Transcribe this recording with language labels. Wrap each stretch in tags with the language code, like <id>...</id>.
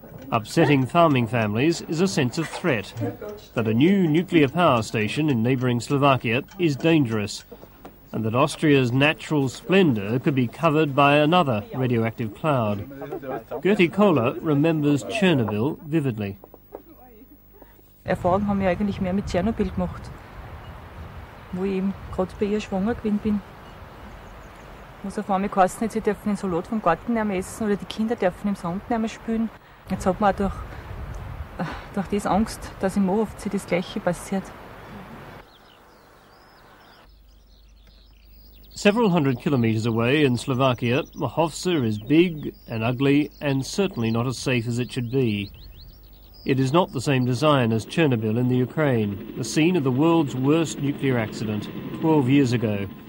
<en>Upsetting farming families is a sense of threat, that a new nuclear power station in neighbouring Slovakia is dangerous, and that Austria's natural splendour could be covered by another radioactive cloud. Gertie Kohler remembers Chernobyl vividly.</en> <de>Erfahrung haben wir eigentlich mehr mit Chernobyl gemacht, wo ich eben gerade bei ihr schwanger gewesen bin. Muss auf einmal geheißen, jetzt dürfen den Salat vom Garten nicht mehr essen oder die Kinder dürfen im Sand nicht mehr spülen. Jetzt hat man auch durch das Angst, dass in Mochovce das Gleiche passiert.</de> <en>Several hundred kilometres away in Slovakia, Mochovce is big and ugly and certainly not as safe as it should be. It is not the same design as Chernobyl in the Ukraine, the scene of the world's worst nuclear accident 12 years ago.</en>